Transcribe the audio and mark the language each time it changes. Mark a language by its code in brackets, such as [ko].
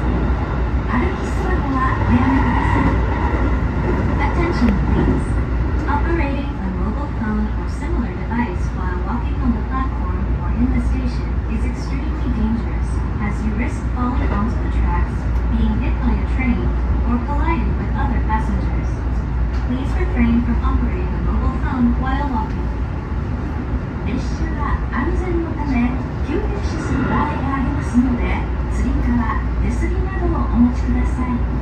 [ja] 歩きスマホはおやめください。 [en] Attention, please. Operating a mobile phone or similar device while walking on the platform or in the station. Is extremely dangerous as you risk falling onto the tracks, being hit by a train, or colliding with other passengers. Please refrain from operating a mobile phone while walking. [ja] 列車は安全のため急停止する場合がありますので、つり革、手すりなどをお持ちください。